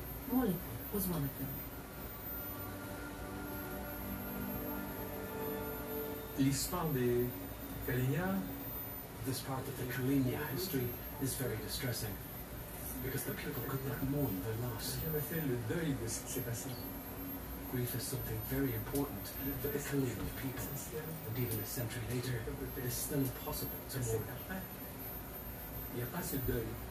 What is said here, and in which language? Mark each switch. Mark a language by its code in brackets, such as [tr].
[en] Molly was one of them. [fr] L'histoire des Kalinia. [en] This part of the Kalinia history is very distressing because the people could not mourn their loss. [fr] J'avais fait le deuil de ce qui s'est passé. [en] Grief is something very important for the Kalinia people, and even a century later, it is still impossible to mourn. [fr] Il n'y a pas ce deuil.